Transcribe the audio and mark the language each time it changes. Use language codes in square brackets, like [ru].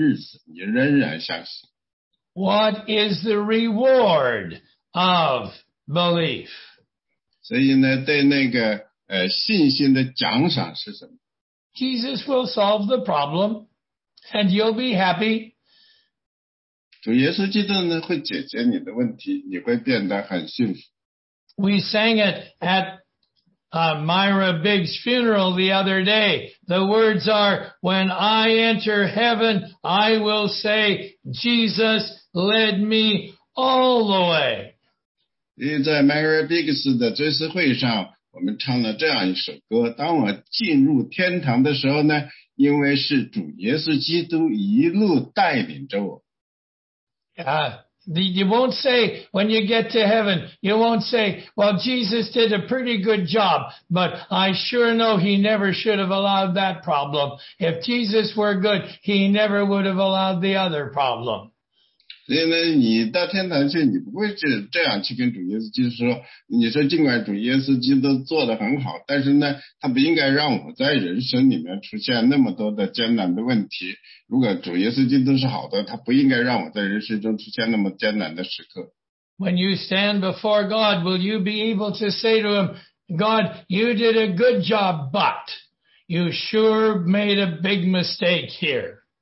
[zh] 所以呢，是在你失望的日子，在你艰难的日子，你仍然相信。 [en] What is the reward of belief? [zh] 所以呢，对那个信心的奖赏是什么？ [en] Jesus will solve the problem, and you'll be happy. [zh] 主耶稣基督呢，会解决你的问题，你会变得很幸福。 [en] We sang it at Myra Biggs' funeral the other day. The words are, "When I enter heaven, I will say, Jesus led me all the way." [zh] 在 Myra Biggs 的追思会上，我们唱了这样一首歌：当我进入天堂的时候呢，因为是主耶稣基督一路带领着我。 [en] You won't say, when you get to heaven, you won't say, "Well, Jesus did a pretty good job, but I sure know he never should have allowed that problem. If Jesus were good, he never would have allowed the other problem." [zh] 所以呢，你到天堂去，你不会去这样去跟主耶稣基督说。你说尽管主耶稣基督做得很好，但是呢，他不应该让我在人生里面出现那么多的艰难的问题。如果主耶稣基督是好的，他不应该让我在人生中出现那么艰难的时刻。 [en] When you stand before God, will you be able to say to him, "God, you did a good job, but you sure made a big mistake here"?